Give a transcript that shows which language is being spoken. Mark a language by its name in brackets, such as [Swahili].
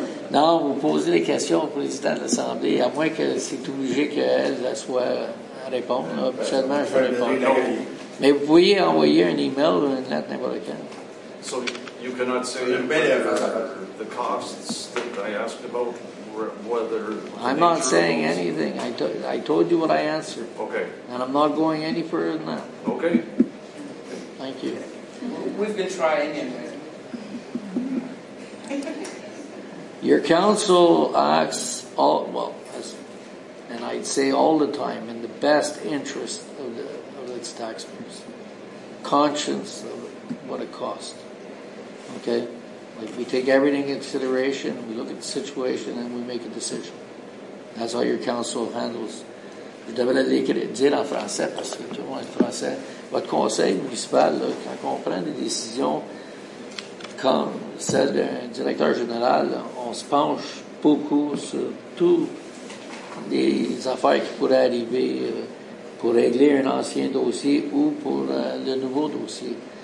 [French] Non, vous posez des questions au président de l'Assemblée, à moins que c'est obligé qu'elle la soit répondre. Là, seulement, je réponds. Mais vous pouvez envoyer un email ou une lettre n'importe quelle. [English] So, you cannot say the costs that I asked about, whether... I'm not saying anything. I told you what I answered. Okay. And I'm not going any further than that. Okay. Thank you. We've been trying anyway. Your council acts all, well, as, and I'd say all the time, in the best interest of its taxpayers. Conscience of what it costs. Okay? Like, we take everything into consideration, we look at the situation, and we make a decision. That's how your council handles. [French] Je devrais l'écrire, dire en français, parce que tout le monde est français. Votre conseil municipal, là, quand on prend des décisions comme celle d'un directeur général, là, on se penche beaucoup sur toutes les affaires qui pourraient arriver pour régler un ancien dossier ou pour le nouveau dossier.